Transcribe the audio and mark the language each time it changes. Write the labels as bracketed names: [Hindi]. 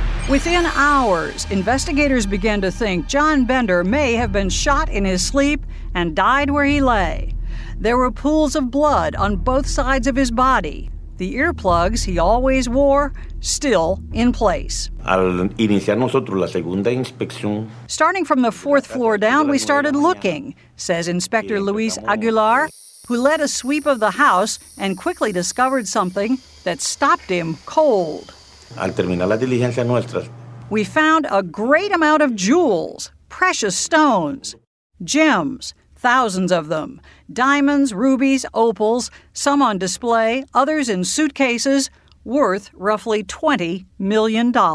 [English] Within hours, investigators began to think John Bender may have been shot in his sleep and died where he lay. There were pools of blood on both sides of his body, the earplugs he always wore still in place. [Spanish] Al iniciar nosotros la segunda inspección, [English] starting from the fourth floor down, we started looking, says Inspector Luis Aguilar, who led a sweep of the house and quickly discovered something that stopped him cold. [Spanish] Al terminar la diligencia nuestra, [English] we found a great amount of jewels, precious stones, gems, thousands of them, diamonds, rubies, opals, some on display, others in suitcases, worth roughly $20 million.